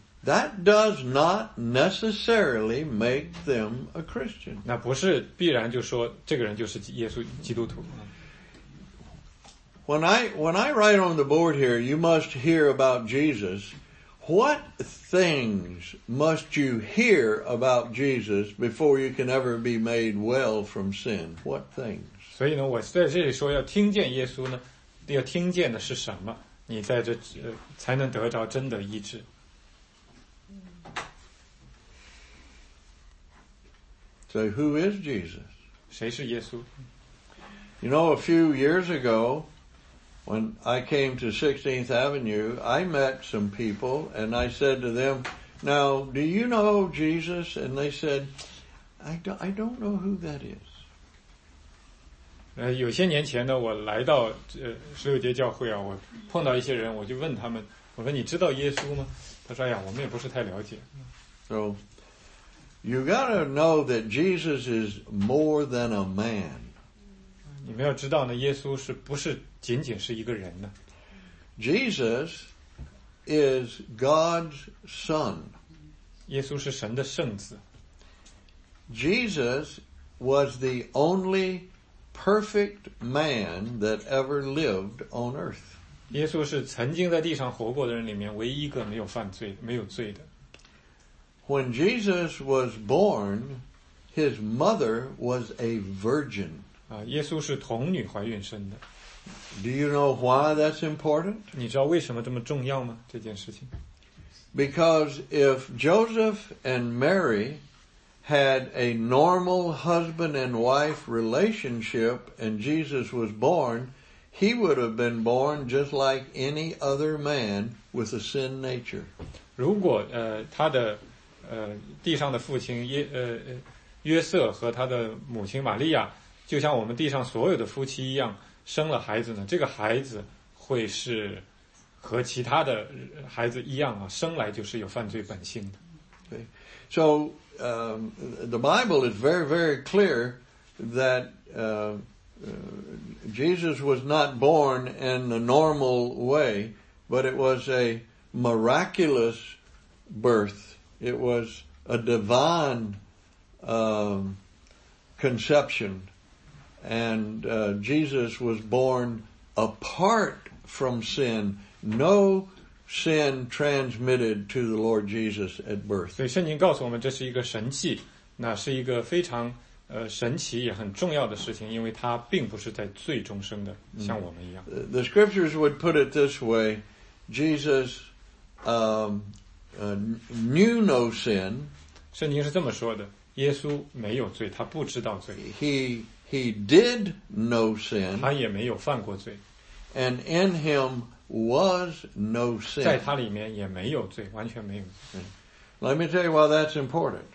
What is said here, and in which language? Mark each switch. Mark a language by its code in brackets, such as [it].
[en] That does not necessarily make them a Christian. [zh] 那不是必然就说这个人就是耶稣基督徒。 [en] When I write on the board here, you must hear about Jesus. What things must you hear about Jesus before you can ever be made well from sin? What things? [zh] 所以呢，我在这里说要听见耶稣呢，要听见的是什么？你在这才能得着真的医治。 [en] So who is Jesus? [zh] 谁是耶稣？ [en] You know, a few years ago,When I came to 16th Avenue, I met some people and I said to them, now, do you know Jesus? And they said, I don't know who that is. [zh] 有些年前呢，我来到十六街教会啊，我碰到一些人，我就问他们，我说你知道耶稣吗？他说，哎呀，我们也不是太了解。 [en] So, you gotta know that Jesus is more than a man. [zh] 你们要知道呢，耶稣是不是仅仅是一个人呢 [en] ？Jesus is God's son. [zh] 耶稣是神的圣子。 [en] Jesus was the only perfect man that ever lived on earth. [zh] 耶稣是曾经在地上活过的人里面唯一一个没有犯罪、没有罪的。 [en] When Jesus was born, his mother was a virgin. [zh] 耶稣是童女怀孕生的。 [en] Do you know why that's important? [zh] 你知道为什么这么重要吗？这件事情。 [en] Because if Joseph and Mary had a normal husband and wife relationship and Jesus was born, he would have been born just like any other man with a sin nature. [zh] 如果他的地上的父亲约瑟和他的母亲玛利亚就像我们地上所有的夫妻一样生了孩子呢这个孩子会是和其他的孩子一样啊生来就是有犯罪本性的。 [en] Okay. So, the Bible is very, very clear that, Jesus was not born in the normal way, but it was a miraculous birth. It was a divine, conception. And Jesus was born apart from sin. No sin transmitted to the Lord Jesus at birth. [zh] 所以圣经告诉我们这是一个神迹，那是一个非常神奇也很重要的事情，因为他并不是在罪中生的，像我们一样。 [en] The scriptures would put it this way: Jesus knew no sin. [zh] 圣经是这么说的：耶稣没有罪，他不知道罪。 [en] He did no sin. [zh] 他也没有犯过罪。 [en] And in him was no sin. [zh] 在他里面也没有罪，完全没有罪。 [en] Let me tell you why that's important.